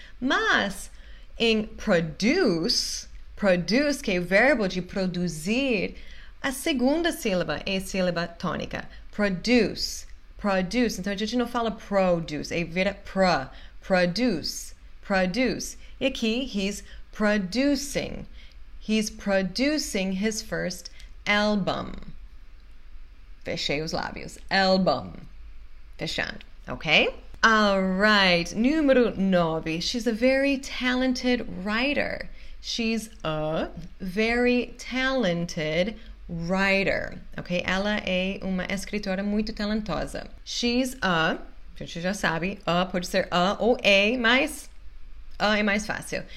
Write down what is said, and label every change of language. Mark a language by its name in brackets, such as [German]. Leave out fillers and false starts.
[Portuguese] Mas em produce, produce, que é o verbo de produzir, a segunda sílaba é a sílaba tônica. Produce, produce. Então a gente não fala produce, é vira pra. [English] Produce, produce. [Portuguese] E aqui, [English] he's producing. He's producing his first album. [Portuguese] Fechei os lábios. Album. Fechando, ok? [English] All right, [Portuguese] número 9. [English] She's a very talented writer. She's a very talented writer. Ok? [Portuguese] Ela é uma escritora muito talentosa. [English] She's a, [Portuguese] gente já sabe, a pode ser a ou a, mas a é mais fácil.